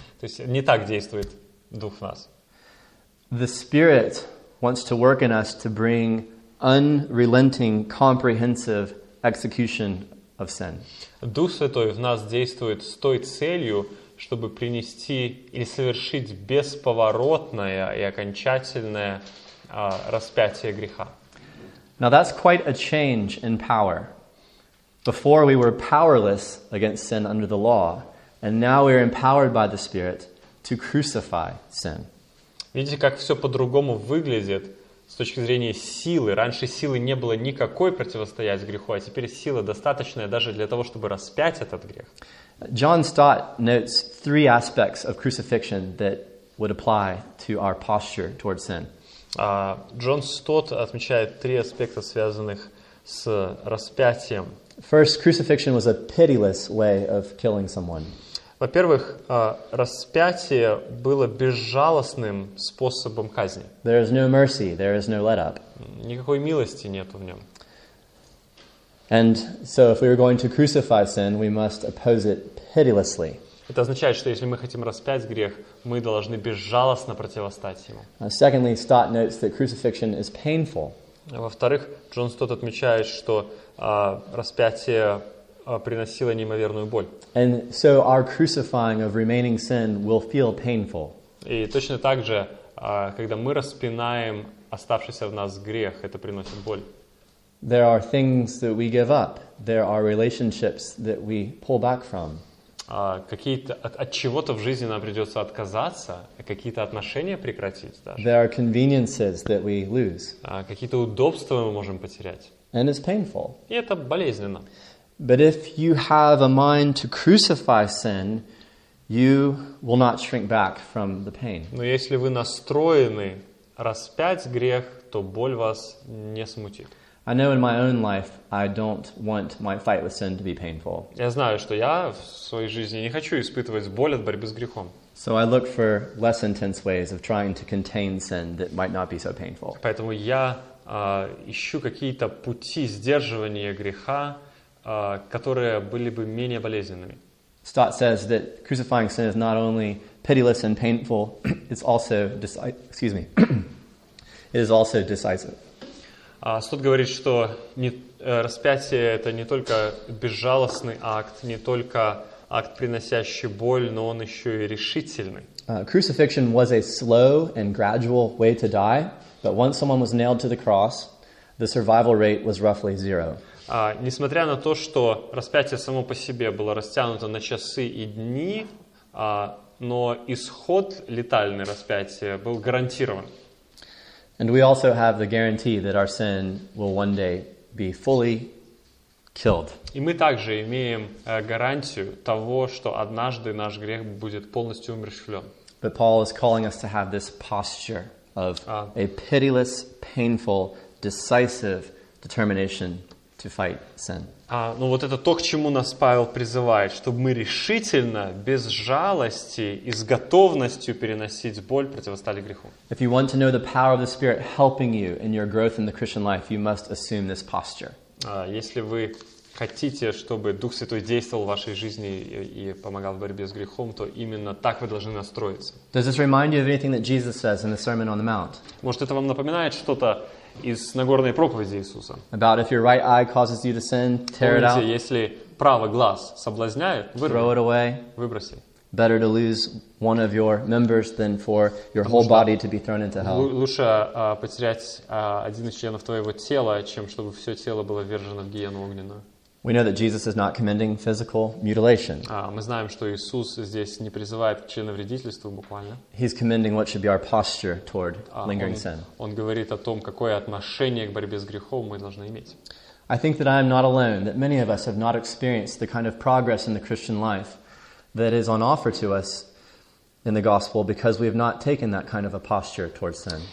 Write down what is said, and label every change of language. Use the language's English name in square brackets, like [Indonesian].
[Russian] То есть не так действует Дух в нас. [English] The Spirit wants to work in us to bring unrelenting, comprehensive execution of sin. [Russian] Дух Святой в нас действует с той целью, чтобы принести или совершить бесповоротное и окончательное распятие греха. [English] Now that's quite a change in power. Before we were powerless against sin under the law, and now we are empowered by the Spirit to crucify sin. [Russian] Видите, как все по-другому выглядит с точки зрения силы. Раньше силы не было никакой противостоять греху, а теперь сила достаточная даже для того, чтобы распять этот грех. [English] John Stott notes three aspects of crucifixion that would apply to our posture towards sin. [Russian] John Stott отмечает три аспекта, связанных с распятием. [English] First, crucifixion was a pitiless way of killing someone. [Russian] Во-первых, распятие было безжалостным способом казни. [English] There is no mercy, there is no let up. [Russian] Никакой милости нету в нем. [English] And so if we are going to crucify sin, we must oppose it pitilessly. [Russian] Это означает, что если мы хотим распять грех, мы должны безжалостно противостать ему. [English] Secondly, Stott notes that crucifixion is painful. [Russian] Во-вторых, Джон Стотт отмечает, что распятие приносило неимоверную боль. [English] And so our crucifying of remaining sin will feel painful. [Russian] И точно так же, когда мы распинаем оставшийся в нас грех, это приносит боль. [English] There are things that we give up. There are relationships that we pull back from. [Russian] От чего-то в жизни нам придется отказаться, какие-то отношения прекратить даже. [English] There are conveniences that we lose. [Russian] Какие-то удобства мы можем потерять. [English] And it's painful. [Russian] И это болезненно. [English] But if you have a mind to crucify sin, you will not shrink back from the pain. [Russian] Но если вы настроены распять грех, то боль вас не смутит. [English] I know in my own life I don't want my fight with sin to be painful. [Russian] Я знаю, что я в своей жизни не хочу испытывать боль от борьбы с грехом. [English] So I look for less intense ways of trying to contain sin that might not be so painful. [Russian] Поэтому я ищу какие-то пути сдерживания греха, которые были бы менее болезненными. [English] Stott says that crucifying sin is not only pitiless and painful, it's also decisive. It is also decisive. [Russian] Суд говорит, что распятие – это не только безжалостный акт, не только акт, приносящий боль, но он еще и решительный. [English] Crucifixion was a slow and gradual way to die, but once someone was nailed to the cross, the survival rate was roughly zero. [Russian] Несмотря на то, что распятие само по себе было растянуто на часы и дни, но исход летальный распятия был гарантирован. [English] And we also have the guarantee that our sin will one day be fully killed. [Russian] И мы также имеем гарантию того, что однажды наш грех будет полностью умерщвлен. [English] But Paul is calling us to have this posture of a pitiless, painful, decisive determination to fight sin. [Russian] Ну вот это то, к чему нас Павел призывает, чтобы мы решительно, без жалости и с готовностью переносить боль противостали греху. [English] If you want to know the power of the Spirit helping you in your growth in the Christian life, you must assume this posture. [Russian] Если вы хотите, чтобы Дух Святой действовал в вашей жизни и помогал в борьбе с грехом, то именно так вы должны настроиться. [English] Does this remind you of anything that Jesus says in the Sermon on the Mount? [Russian] Может, это вам напоминает что-то из Нагорной проповеди Иисуса? [English] About if your right eye causes you to sin, tear it out. [Russian] Помните, если правый глаз соблазняет, вырви. [English] Throw it away. [Russian] Выброси. [English] Better to lose one of your members than for your whole body to be thrown into hell. [Russian] Лучше потерять один из членов твоего тела, чем чтобы все тело было ввержено в гиену огненную. [English] We know that Jesus is not commending physical mutilation. [Russian] Мы знаем, что Иисус здесь не призывает к членовредительству буквально. [English] He's commending what should be our posture toward lingering sin. [Russian] Он говорит о том, какое отношение к борьбе с грехом мы должны иметь. [English] I think that I am not alone, that many of us have not experienced the kind of progress in the Christian life that is on offer to us in the gospel because we have not taken that kind of a posture towards sin.